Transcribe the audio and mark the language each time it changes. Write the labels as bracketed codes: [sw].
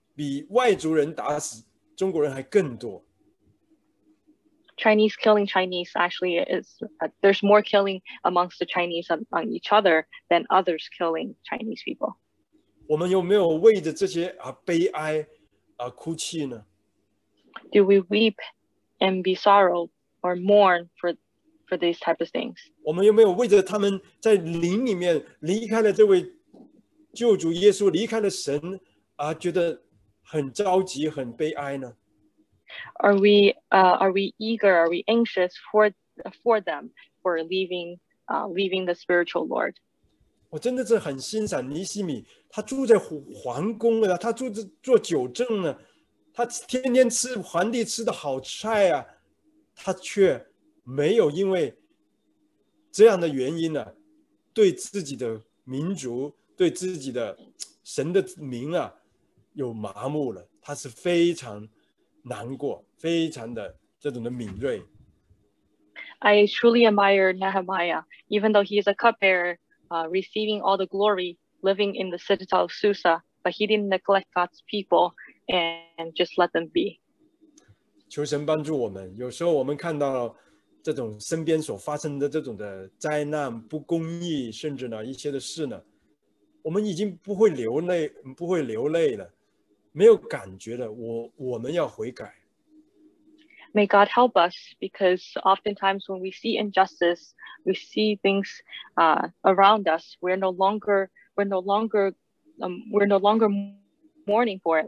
[zh] 中国人打死中国人比外族人打死中国人还更多。 [en] Chinese killing Chinese actually is, there's more killing amongst the Chinese on each other than others killing Chinese people. [zh] 我们有没有为着这些悲哀哭泣呢？ [en] Do we weep and be sorrow or mourn for these type of things? [zh] 我们有没有为着他们在灵里面离开了这位救主耶稣离开了神而觉得很着急很悲哀呢？ [en] Are we eager? Are we anxious for them for leaving the spiritual Lord? [zh] 我真的是很欣赏尼西米，他住在皇宫啊，他住着做酒政呢，他天天吃皇帝吃的好菜啊，他却没有因为这样的原因呢、啊，对自己的民族、对自己的神的名啊，有麻木了，他是非常。难过，非常的这种的敏锐。 [en] I truly admire Nehemiah, even though he is a cupbearer, receiving all the glory, living in the citadel of Susa, but he didn't neglect God's people and just let them be. [zh] 求神帮助我们。有时候我们看到这种身边所发生的这种的灾难、不公义，甚至呢一些的事呢，我们已经不会流泪，不会流泪了。没有感觉的，我们要悔改。 [en] May God help us, because oftentimes when we see injustice, we see things around us, we're no longer mourning for it.